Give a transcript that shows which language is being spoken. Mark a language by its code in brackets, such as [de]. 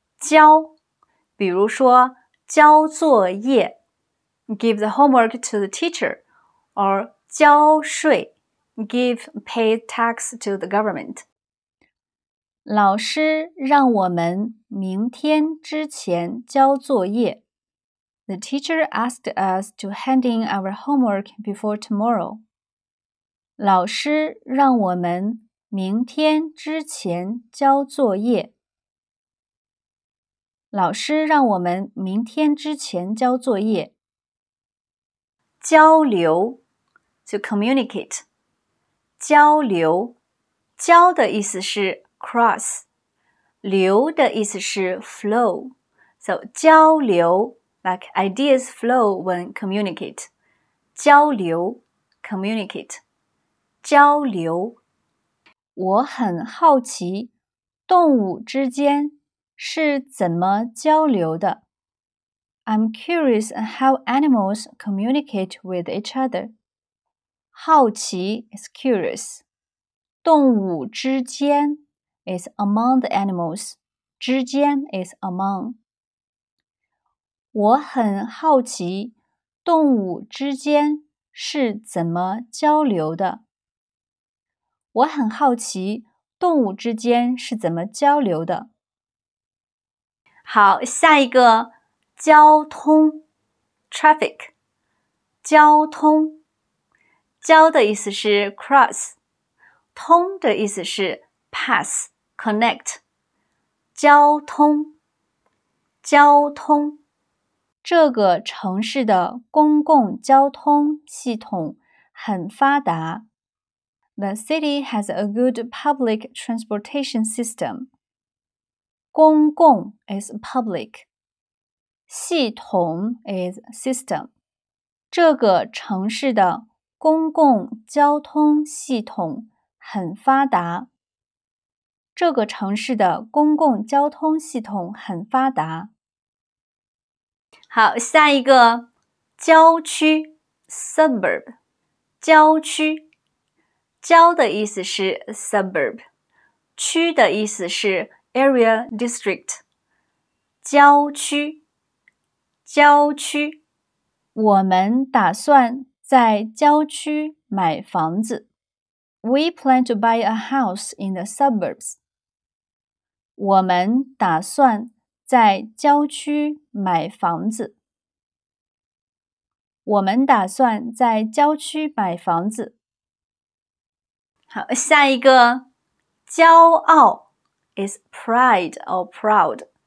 [en] 交，比如说交作业，give the homework to the teacher, or 交税 ，give pay tax to the government. [zh] 老师让我们明天之前交作业。 [en] The teacher asked us to hand in our homework before tomorrow. [zh] 老师让我们明天之前交作业。老师让我们明天之前交作业。交流 ，to communicate. 交流，交的意思是cross, 流的意思是 flow, so 交流 like ideas flow when communicate, 交流 communicate, 交流。我很好奇动物之间是怎么交流的。 [en] I'm curious how animals communicate with each other. 好奇 is curious, 动物之间is among the animals. 之间 is among. [zh] 我很好奇动物之间是怎么交流的。我很好奇动物之间是怎么交流的。好，下一个，交通 traffic. 交通，交的意思是 cross. 通的意思是 pass. Connect, 交通，交通。这个城市的公共交通系统很发达。 [en] The city has a good public transportation system. 公共 is public. 系统 is system. [zh] 这个城市的公共交通系统很发达。这个城市的公共交通系统很发达。好，下一个，郊区 suburb， 郊区，郊的意思是 suburb， 区的意思是 area district，郊区，郊区。我们打算在郊区买房子。 [en] We plan to buy a house in the suburbs. [zh] 我们打算在郊区买房子。我们打算在郊区买房子。 [en] 好，下一个，骄傲 is pride or proud.